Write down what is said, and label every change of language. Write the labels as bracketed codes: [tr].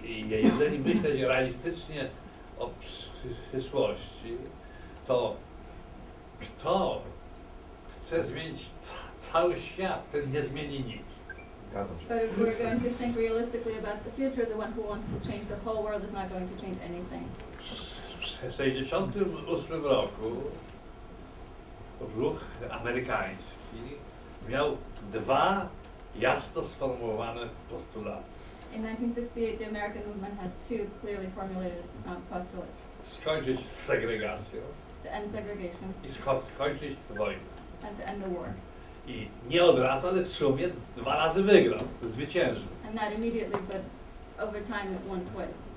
[pl] jeżeli myśleć realistycznie o przyszłości, to kto chce zmienić cały świat, ten nie zmieni nic. [en] But if we're going to think realistically about the future, the one who wants to change the whole world is not going to change anything. [pl] W 68 roku ruch amerykański miał dwa jasno sformułowane postulaty. [en] In 1968, the American movement had two clearly formulated postulates. [pl] Skończyć segregację. [en] To end segregation. [pl] I skończyć wojnę. [en] And to end the war. [pl] I nie od razu, ale w sumie dwa razy wygrał, zwyciężył. [en] And not immediately, but over time it won twice.